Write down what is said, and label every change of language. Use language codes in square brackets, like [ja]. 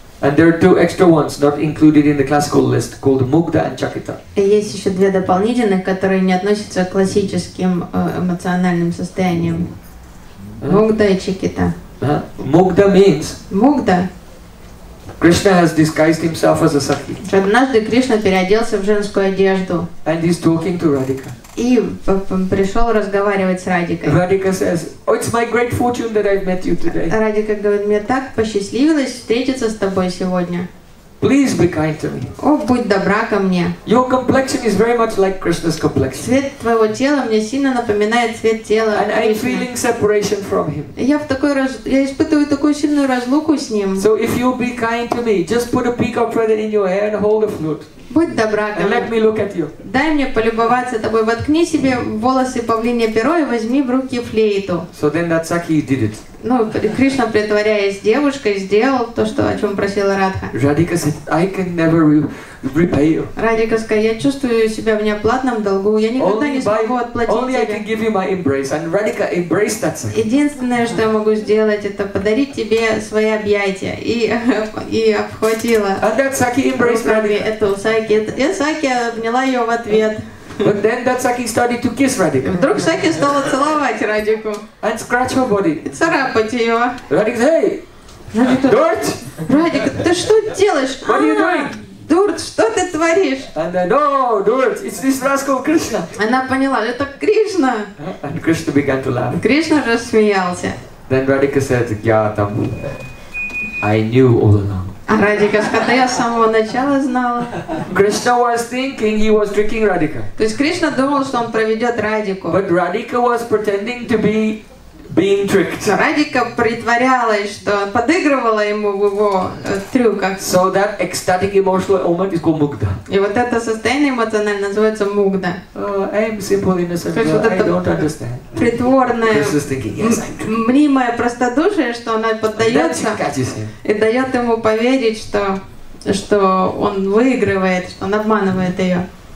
[en] And there are two extra ones not included in the classical list called Mugda and Chakita. [ru] Есть еще две дополнительных, которые не относятся к классическим эмоциональным состояниям. Mugda и Chakita. [en] Mugda means. Mugda. Krishna has disguised himself as a sakhi. [ru] Однажды Кришна переоделся в женскую одежду. [en] And he's talking to Radhika. [ru] И пришел разговаривать с Радикой. [en] Radhika says, "Oh, it's my great fortune that I've met you today." [ru] Радика говорит, мне так посчастливилось встретиться с тобой сегодня. [en] Please be kind to me. [ru] О, будь добра ко мне. [en] Your complexion is very much like Krishna's complexion. [ru] Цвет твоего тела мне сильно напоминает цвет тела [en] Кришны. And I'm feeling separation from him. [ru] Я испытываю такую сильную разлуку с ним. [en] So if you'll be kind to me, just put a peacock feather in your hair and hold a flute. [ru] Будь добра ко мне. [en] And let me look at you. [ru] Дай мне полюбоваться тобой. Воткни себе волосы павлинье перо и возьми в руки флейту. [en] So then that's how he did it. [ru] Ну, Кришна, притворяясь девушкой, сделал то, что, о чем просила Радха. Радика сказал, я чувствую себя в неоплатном долгу, я никогда не смогу отплатить тебе. Единственное, что я могу сделать, это подарить тебе свои объятия. И обхватила руками эту Сакхи. И Сакхи обняла ее в ответ. [en] But then that Sakhi started to kiss Radhika. [ru] Вдруг Сакхи стала целовать Радику. [en] And scratch her body. [ru] И царапать ее. [en] Радик said, hey, Дурт! [ru] Радик, ты что делаешь? [en] What are you doing? [ru] Дурт, что ты творишь? [en] And then, no, Дурт, it's this rascal Krishna. [ru] Она поняла, это Кришна. [en] And Krishna began to laugh. [ru] Кришна рассмеялся. [en] Then Radhika said, [ru] я там, [en] I knew all along. [ru] А Радика сказала, я с самого начала знала. [en] Krishna was thinking he was tricking Radhika. [ru] То есть Кришна думал, что он проведет Радику. [en] But Radhika was pretending to be being tricked. [ru] Радика притворялась, что подыгрывала ему в его трюках. [en] So that ecstatic emotional moment is called mugda. [ru] И вот это состояние эмоциональное называется мугда. [en] Oh, I am simple innocent. Girl. [ru] Вот [en] I don't understand. [ru] Притворное, [en] thinking, yes, [ru] мнимое простодушие, что она поддается и дает ему поверить, что он выигрывает, что он обманывает ее.